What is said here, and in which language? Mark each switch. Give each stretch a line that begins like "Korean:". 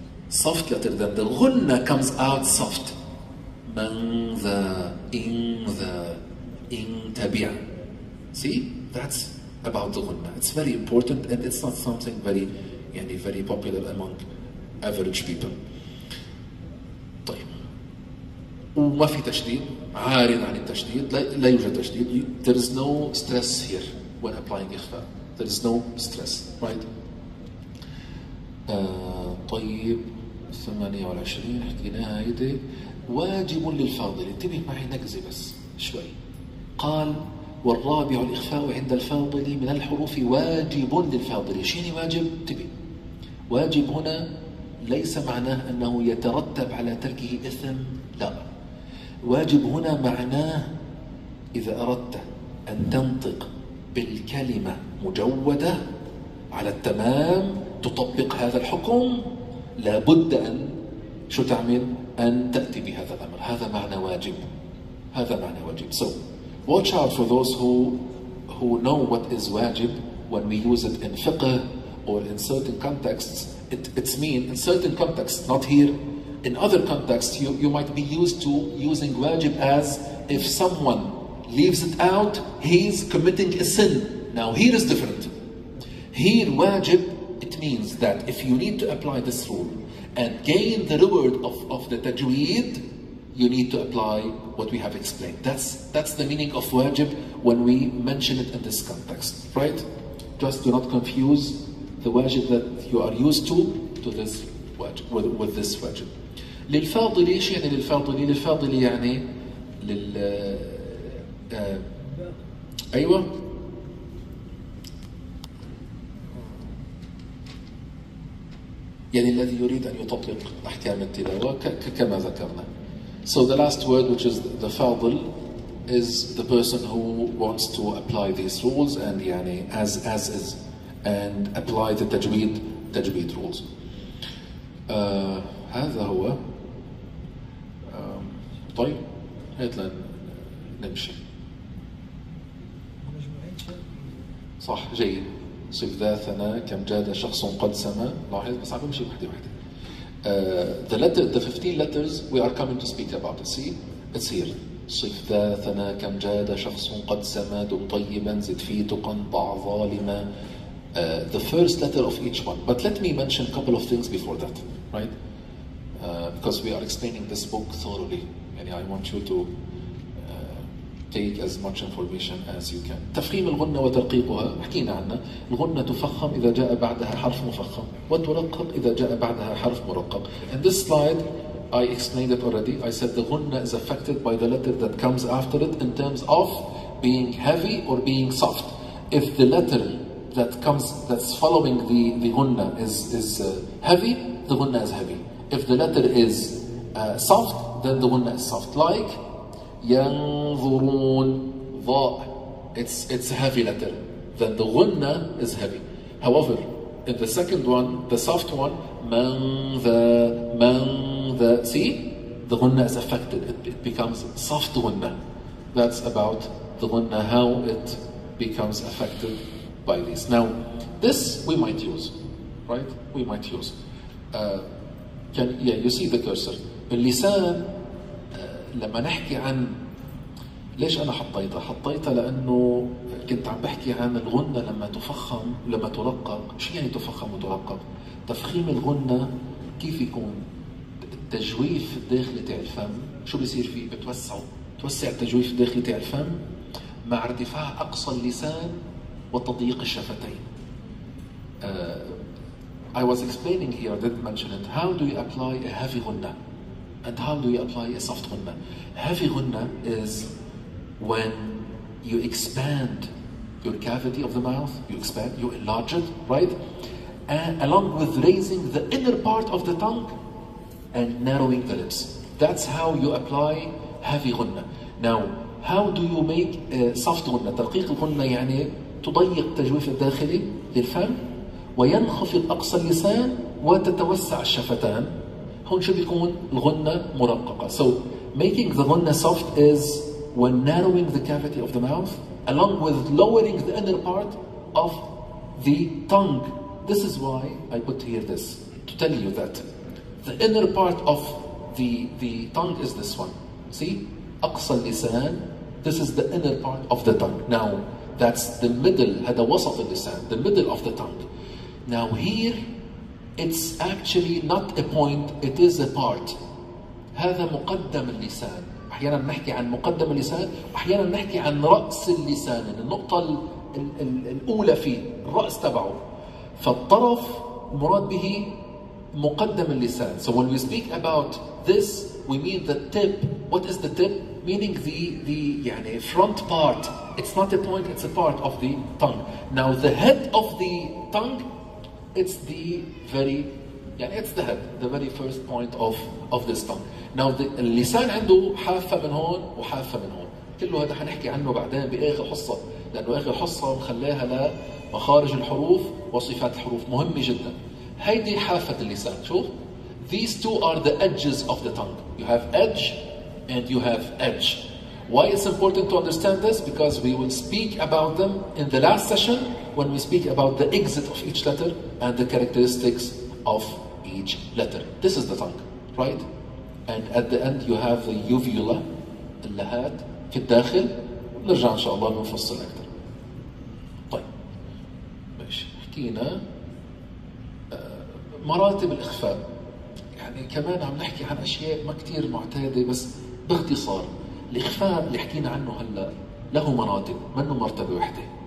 English: Soft letter, then the غنّة comes out soft.
Arabic: من ذا إن ذا إن تبع.
English: See, that's about the غنّة. It's very important and it's not something very, يعني very popular among average people.
Arabic: طيب. وما في تشديد, عارض عن التشديد, لا يوجد تشديد.
English: There is no stress here when applying إخفاء. There is no stress, right?
Arabic: طيب. 28 حكيناها هيدي. واجب للفاضل, انتبه معي نقزه بس شوي. قال والرابع الاخفاء عند الفاضل من الحروف واجب للفاضل. ايش يعني واجب؟ انتبه, واجب هنا ليس معناه انه يترتب على تركه اثم, لا. واجب هنا معناه اذا اردت ان تنطق بالكلمه مجوده على التمام تطبق هذا الحكم, لا بد أن شو تعمل, أن تأتي بهذا الأمر. هذا معنى واجب, هذا معنى واجب.
English: So watch out for those who know what is واجب when we use it in fiqh or in certain contexts. It means in certain contexts, not here. In other contexts, you might be used to using واجب as if someone leaves it out, he's committing a sin. Now here is different. Here واجب, it means that if you need to apply this rule and gain the reward of the tajweed, you need to apply what we have explained. That's the meaning of wajib when we mention it in this context, right? Just do not confuse the wajib that you are used to this wajib, with this wajib.
Arabic: للفاضل, إيش يعني للفاضل؟ للفاضل يعني لل أيوة. يعني الذي يريد أن يطبق أحكام التلاوة كما ذكرنا.
English: So the last word, which is the فاضل, is the person who wants to apply these rules and يعني as is and apply the تجويد rules.
Arabic: هذا هو. طيب, هات لنا نمشي. صح, جيد. صف ذا ثنا كم جاد شخص قد سما. لاحظ بس عم بمشي وحدي وحدي.
English: The 15 letters we are coming to speak about. See, it's here.
Arabic: صف ذا ثنا كم جاد شخص قد سما دم طيبا زد في تقا ضع ظالما.
English: The first letter of each one. But let me mention a couple of things before that, right? Because we are explaining this book thoroughly. And I want you to take as much information as you can.
Arabic: تفخيم الغنة وترقيقها حكينا عنها. الغنة تفخم إذا جاء بعدها حرف مفخم, وترقق إذا جاء بعدها حرف مرقق.
English: In this slide I explained it already. I said the غنة is affected by the letter that comes after it in terms of being heavy or being soft. If the letter that comes, that's following the غنة is heavy, the غنة is heavy. If the letter is soft, then the غنة is soft.
Arabic: Like ينظرون ضاء.
English: It's a heavy letter. Then the غنة is heavy. However, in the second one, the soft one,
Arabic: من ذا.
English: See, the غنة is affected. It becomes soft غنة. That's about بغنة, how it becomes affected by this. Now, this we might use, right? We might use. Can, yeah, you see the cursor.
Arabic: اللسان لما نحكي عن, ليش أنا حطيتها؟ حطيتها لأنه كنت عم بحكي عن الغنة لما تفخم, لما ترقق. شو يعني تفخم وترقق؟ تفخيم الغنة كيف يكون؟ التجويف الداخلي تاع الفم, شو بيصير فيه؟ بتوسعه, توسع التجويف الداخلي تاع الفم مع ارتفاع أقصى اللسان وتضييق الشفتين.
English: I was explaining here, I didn't mention it. How do you apply a heavy ghunnah? And how do you apply a soft ghunnah? Heavy ghunnah is when you expand your cavity of the mouth, you expand, you enlarge it, right? And along with raising the inner part of the tongue and narrowing the lips. That's how you apply heavy ghunnah. Now, how do you make a soft ghunnah?
Arabic: ترقيق الغنة يعني تضيق التجويف الداخلي للفم وينخفض أقصى اللسان وتتوسع الشفتان. هون شو بيكون؟ الغنة مرققة.
English: So, making the ghunnah soft is when narrowing the cavity of the mouth along with lowering the inner part of the tongue. This is why I put here this, to tell you that the inner part of the tongue is this one. See?
Arabic: أقصى اللسان,
English: this is the inner part of the tongue. Now, that's the middle,
Arabic: هذا وسط اللسان,
English: the middle of the tongue. Now here, it's actually not a point, it is a part.
Arabic: هذا مقدم اللسان. أحيانا نحكي عن مقدم اللسان, أحيانا نحكي عن رأس اللسان, النقطة الأولى فيه, الرأس تبعه. فالطرف مراد به مقدم اللسان.
English: So when we speak about this, we mean the tip. What is the tip? Meaning the يعني front part. It's not a point, it's a part of the tongue. Now the head of the tongue, it's the very, يعني it's the head, the very first point of this tongue. Now the
Arabic: اللسان عنده حافة من هون وحافة من هون. كله هذا حنحكي عنه بعدين بآخر حصة, لأنه آخر حصة نخليها لمخارج الحروف وصفات الحروف, مهمة جدا. هيدي حافة اللسان, شوف.
English: These two are the edges of the tongue. You have edge and you have edge. Why it's important to understand this? Because we will speak about them in the last session when we speak about the exit of each letter and the characteristics of each letter. This is the tongue, right? And at the end you have the uvula,
Arabic: اللهات في الداخل. نرجع إن شاء الله نفصل أكثر. طيب, ماشي, حكينا مراتب الإخفاء. يعني كمان عم نحكي عن أشياء ما كتير معتادة, بس باختصار الإخفاء اللي حكينا عنه هلأ له مراتب, منه مرتبة واحدة.